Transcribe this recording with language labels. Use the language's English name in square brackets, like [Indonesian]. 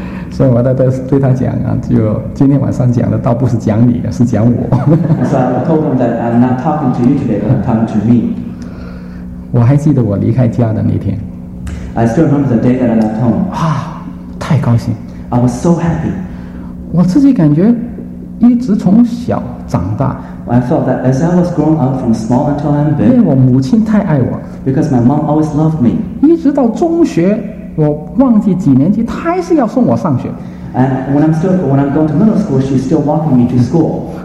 [Chinese] 所以我在对他讲啊，就今天晚上讲的道不是讲你的，是讲我。 [English] So I told him that I'm not talking to you today, but I'm talking to me. [Chinese] 我还记得我离开家的那天。 [English] I still remember the day that I left home. [Chinese] 啊，太高兴。 [English] I was so happy. [Chinese] 我自己感觉一直从小长大。 [English] I felt that as I was growing up from small until I'm big, [Chinese] 因为我母亲太爱我， [English] because my mom always loved me. [Chinese] 一直到中学，我忘记几年级，她还是要送我上学。 [English] And when I'm going to middle school, she's still walking me to school.